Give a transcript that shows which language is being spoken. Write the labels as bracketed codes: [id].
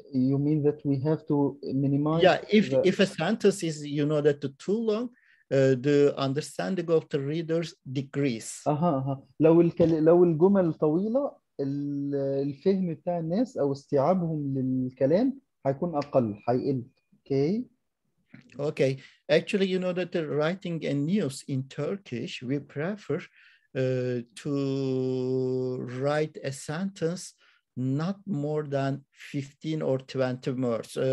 [en] You mean that we have to minimize? Yeah, if a sentence is, you know, that too long, the understanding of the readers decrease. [ar] لو الجمل طويلة الفهم بتاع الناس أو استيعابهم للكلام هيكون أقل، هيقل. [en] Okay. Actually, you know that the writing a news in Turkish, we prefer to write a sentence not more than 15 or 20 words.